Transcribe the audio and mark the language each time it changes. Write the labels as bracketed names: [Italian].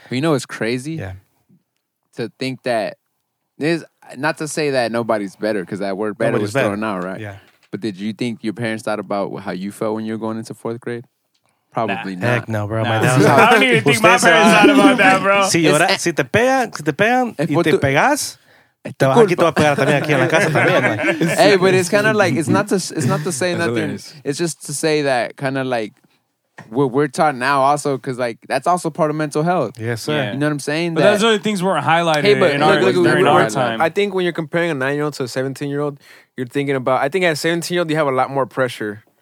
[English] You know, it's crazy. Yeah. To think that there's not to say that nobody's better because that word better nobody's was better. Thrown out, right? Yeah. But did you think your parents thought about how you felt when you were going into fourth grade? Probably not. Heck no, bro. Nah. My dad was like, I don't even think my parents thought about that, bro. [Spanish] Si llora, si te pegan, si te pegan y te pegas, te vas aquí, te vas a pegar también aquí en la casa también. [English] Hey, but it's kind of like, it's not to say nothing. It's just to say that kind of like, what we're taught now also, because like, that's also part of mental health. Yes, sir. Yeah. You know what I'm saying? But those are the things we're highlighting during our time. I think when you're comparing a 9-year-old to a 17-year-old, you're thinking about, I think at a 17-year-old, you have a lot more pressure.